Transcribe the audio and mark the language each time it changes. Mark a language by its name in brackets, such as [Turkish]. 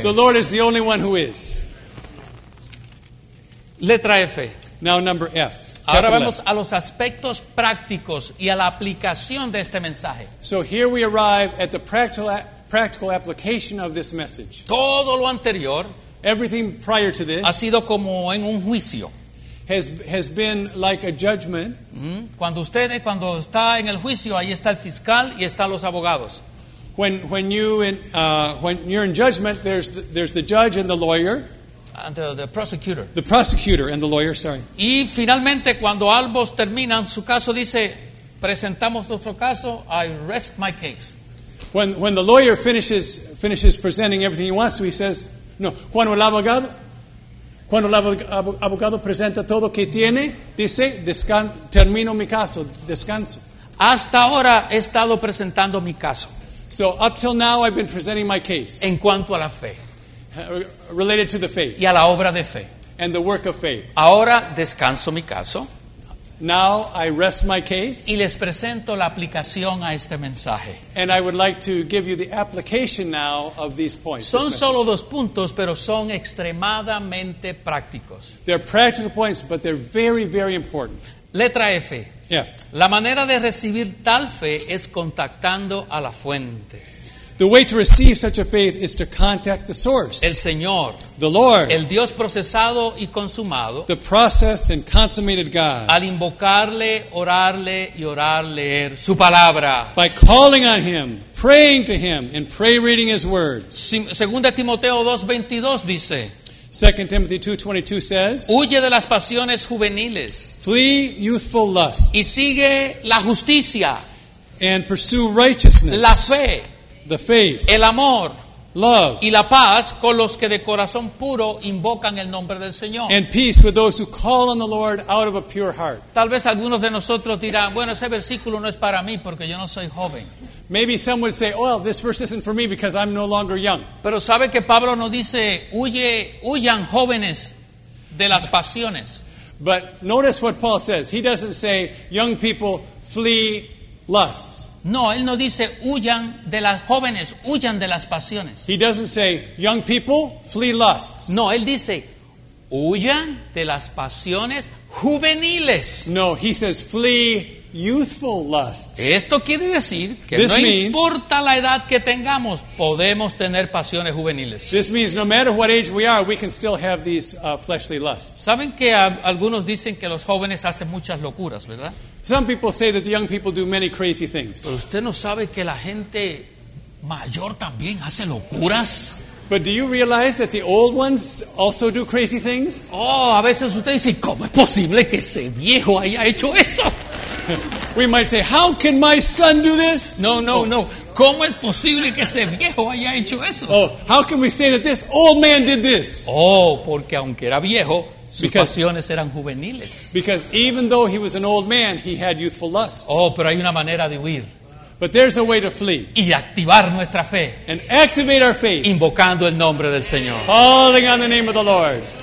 [English] the [Spanish] es. [English] The Lord is the only one who is. [Spanish] Letra F. [English] Now number F. [Spanish] Ahora vamos a los aspectos prácticos y a la aplicación de este mensaje. [English] So here we arrive at the practical application of this message. [Spanish] Todo lo anterior, [English] everything prior to this, [Spanish] ha sido como en un juicio. [English] Has been like a judgment. [Spanish] Cuando está en el juicio, ahí está el fiscal y están los abogados. [English] When you're in judgment, there's the judge and the lawyer. And the prosecutor. The prosecutor and the lawyer, sorry. [Spanish] Y finalmente, cuando ambos terminan su caso, dice, presentamos nuestro caso, [English] I rest my case. When the lawyer finishes presenting everything he wants to, he says, [Spanish] no, cuando el abogado presenta todo que tiene, dice, termino mi caso, descanso. Hasta ahora he estado presentando mi caso. [English] So up till now I've been presenting my case. [Spanish] En cuanto a la fe. [English] Related to the faith. [Spanish] Y a la obra de fe. [English] And the work of faith. [Spanish] Ahora descanso mi caso. [English] Now I rest my case. [Spanish] Y les presento la aplicación a este mensaje. [English] And I would like to give you the application now of these points. [Spanish] Son solo dos puntos, pero son extremadamente prácticos. [English] They're practical points, but they're very, very important. [Spanish] Letra F. [English] Yes. [Spanish] La manera de recibir tal fe es contactando a la fuente. [English] The way to receive such a faith is to contact the source. [Spanish] El Señor. [English] The Lord. [Spanish] El Dios procesado y consumado. [English] The processed and consummated God. [Spanish] Al invocarle, orarle y orar leer su palabra. [English] By calling on him, praying to him and pray reading his word. [Spanish] 2 Timoteo 2:22 dice. [English] 2 Timothy 2:22 says, [Spanish] huye de las pasiones juveniles. [English] Flee youthful lusts. [Spanish] Y sigue la justicia. [English] And pursue righteousness. [Spanish] La fe. [English] The faith, [Spanish] el amor, [English] love, [Spanish] y la paz con los que de corazón puro invocan el nombre del Señor. [English] And peace with those who call on the Lord out of a pure heart. [Spanish] Tal vez algunos de nosotros dirán, bueno, ese versículo no es para mí porque yo no soy joven. [English] Maybe some would say, well, this verse isn't for me because I'm no longer young. [Spanish] Pero sabe que Pablo no dice, huyan jóvenes de las pasiones. [English] But notice what Paul says. He doesn't say, young people, flee lusts. [Spanish] No, él no dice huyan de las jóvenes, huyan de las pasiones. [English] He doesn't say young people flee lusts. [Spanish] No, él dice huyan de las pasiones juveniles. [English] No, he says flee youthful lusts. [Spanish] Esto quiere decir que this no means, importa la edad que tengamos, podemos tener pasiones juveniles. [English] This means no matter what age we are, we can still have these fleshly lusts. [Spanish] Saben que algunos dicen que los jóvenes hacen muchas locuras, ¿verdad? [English] Some people say that the young people do many crazy things. [Spanish] Pero usted no sabe que la gente mayor también hace locuras. [English] But do you realize that the old ones also do crazy things? [Spanish] Oh, a veces usted dice, ¿cómo es posible que ese viejo haya hecho eso? [English] We might say, how can my son do this? [Spanish] No. ¿Cómo es posible que ese viejo haya hecho eso? [English] Oh, how can we say that this old man did this? [Spanish] Oh, porque aunque era viejo, sus pasiones eran juveniles. [English] Because even though he was an old man, he had youthful lusts. [Spanish] Oh, pero hay una manera de huir. [English] But there's a way to flee. [Spanish] Y activar nuestra fe. [English] And activate our faith. [Spanish] Invocando el nombre del Señor. [English] Calling on the name of the Lord.